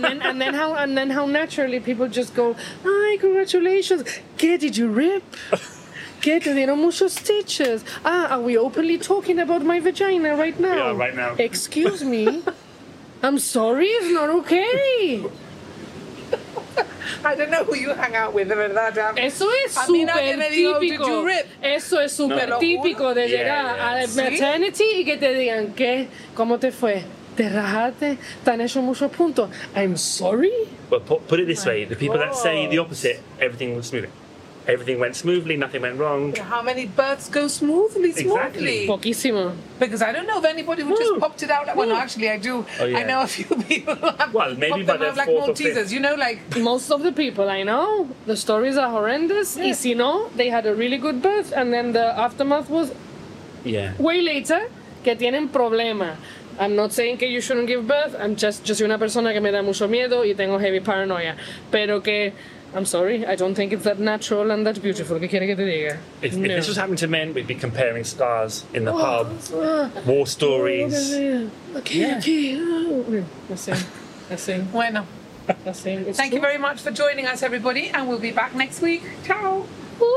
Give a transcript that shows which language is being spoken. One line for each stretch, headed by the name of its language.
English: And then how naturally people just go, ay, congratulations. ¿Qué did you rip?
Spanish: ¿Qué te dieron muchos
English: stitches? Ah, are we openly talking about my vagina right now? Yeah, right now. Excuse me. I'm sorry, it's not okay. I don't know who you hang out with,
Spanish: de verdad. Eso es súper típico. Digo,
English: did you rip?
Spanish: Eso es súper típico de llegar a maternity y que te digan, ¿qué? ¿Cómo te fue? ¿Te rajaste? ¿Te han hecho muchos puntos?
English: I'm sorry. But put it this way, the people that say the opposite, everything will smooth. everything went smoothly, nothing went wrong. How many births go smoothly? Exactly.
Italian: Pochissimo.
English: Because I don't know of anybody who just popped it out. Like, well, no, actually, I do. Oh, yeah. I know a few people. Well, maybe by their like fourth or fifth. You know, like... Most of the people I know, the stories are horrendous. Yeah.
Spanish: Y si no,
English: they had a really good birth, and then the aftermath was... Yeah. Way later,
Spanish: que tienen problema.
English: I'm not saying that you shouldn't give birth. I'm just...
Spanish: Yo soy una persona que me da mucho miedo y tengo heavy paranoia. Pero que...
English: I'm sorry, I don't think it's that natural and that beautiful.
Spanish: ¿Qué quiere que te diga?
English: If this was happening to men, we'd be comparing scars in the pub, war stories. Okay, that's it. Bueno, thank you very much for joining us, everybody, and we'll be back next week. Ciao!